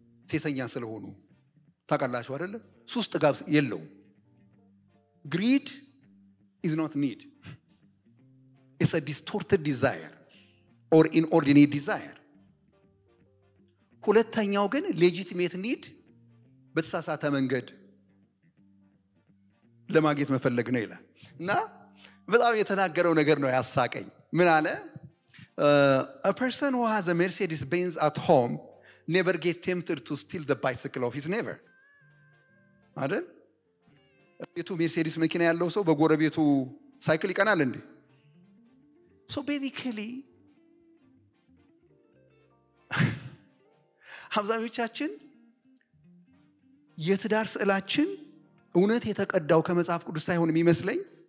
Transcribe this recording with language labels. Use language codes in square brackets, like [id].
[am] ሴሰኛ ስለሆኑ ታውቃላችሁ አይደለ፣ ሶስት ጥጋብ የለውም። [en] ግሪድ ኢዝ ኖት ኒድ ኢትስ አ ዲስቶርትድ ዲዛየር ኦር ኢንኦርዲኔት ዲዛየር። [am] ሁለተኛው ግን [en] ሌጂቲሜት ኒድ [am] በተሳሳተ መንገድ ለማግኘት መፈለግ ነው ይላል። እና በጣም የተናገረው ነገር ነው ያሳቀኝ። ምን አለ? [en] A person who has a Mercedes Benz at home never gets tempted to steal the bicycle of his neighbor. [am] አይደል? ቤቱ Mercedes መኪና ያለው ሰው በጎረቤቱ ሳይክል ይቀናል እንዴ? [en] So basically [am] አብዛኞቻችን የትዳር ስዕላችን እውነት የተቀዳው ከመጽሐፍ ቅዱስ ሳይሆን የሚመስለኝ